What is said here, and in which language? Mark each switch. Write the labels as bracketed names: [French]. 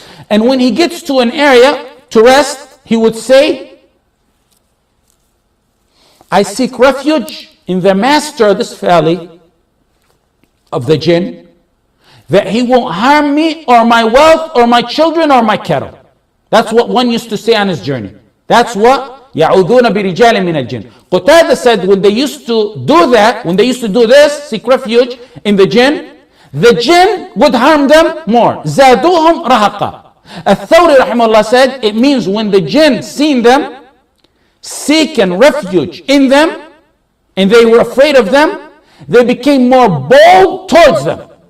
[English] And when he gets to an area to rest, he would say, I seek refuge in the master of this valley of the jinn, that he won't harm me or my wealth or my children or my cattle. That's what one used to say on his journey. That's what [Arabic] يَعُوذُونَ بِرِجَالٍ مِنَ الْجِنِ. [English] Qutada said when they used to do that, when they used to do this, seek refuge in the jinn would harm them more. [Arabic] زَادُوهُمْ رَهَقًا. [English] Al-Thawri rahimahullah said, it means when the jinn seen them, seeking refuge in them, and they were afraid of them, they became more bold towards them.